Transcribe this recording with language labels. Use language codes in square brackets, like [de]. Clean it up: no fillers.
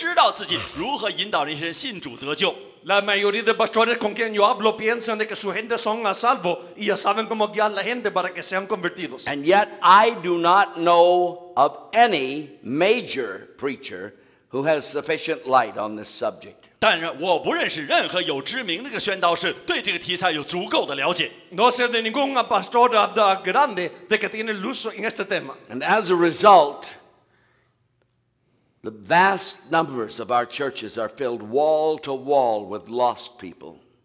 [zh] 当我与其他的牧师谈话的时候，他们似乎知道自己如何引导那些人信主得救。 [es] La mayoría de pastores con quien yo hablo piensan de que su gente son a salvo y ya saben cómo guiar a la gente para que sean convertidos. [en] And yet I do not know of any major preacher who has sufficient light on this subject. [zh] 但我不认识任何有知名的宣道士对这个题材有足够的了解。 [es] No sé de ningún pastor grande de que tiene luz en este tema. [en] And as a result, the vast numbers of our churches are filled wall to wall with lost people.